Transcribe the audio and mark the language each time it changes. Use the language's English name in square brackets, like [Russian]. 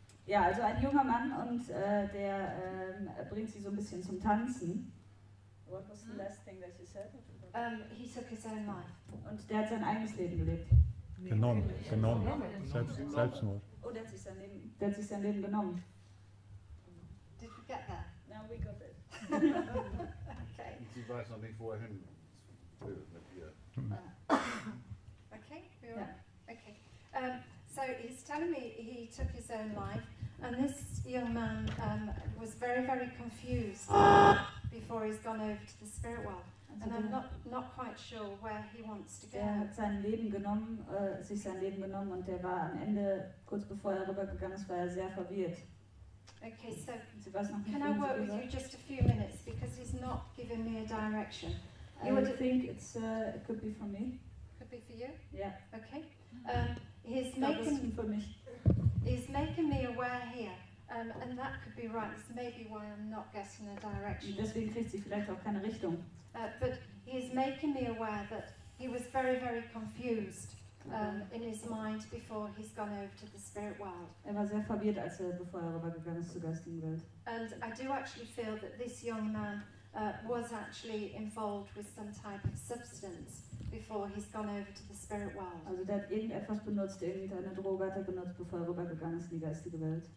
[German] Ja, also ein junger Mann und der bringt sie so ein bisschen zum Tanzen. [English] What was the last thing that you said? He took his own life. [German] Und der hat sein eigenes Leben gelebt. Genommen. Selbstmord. Oh, der hat sich sein Leben. Der hat sich sein Leben genommen. [English] Did we get that? Now we got it. Okay. [German] Sie weiß noch nicht, wo er hin will. [English] Okay, we all yeah. Okay. So he's telling me he took his own life, and this young man was very, very confused before he's gone over to the spirit world. And I'm not quite sure where he wants to go. [German] Er hat sein Leben genommen, sich sein Leben genommen, und der war am Ende, kurz bevor er rübergegangen ist, war er sehr verwirrt. [English] Okay, so can I work with you just a few minutes, because he's not giving me a direction. You would think it's it could be for me. Could be for you. Yeah. Okay. He's making me aware here, and that could be right. It's maybe why I'm not getting a direction. [German] Deswegen kriegt sie vielleicht auch keine Richtung. [English] But he's making me aware that he was very, very confused in his mind before he's gone over to the spirit world. [German] Er war sehr verwirrt, als er bevor er rübergegangen ist zur geistigen Welt. [English] And I do actually feel that this young man was actually involved with some type of substance before he's gone over to the spirit world. [German] Also der hat irgendetwas benutzt, irgendeine Droge hat er benutzt, bevor er rübergegangen ist in die geistige Welt.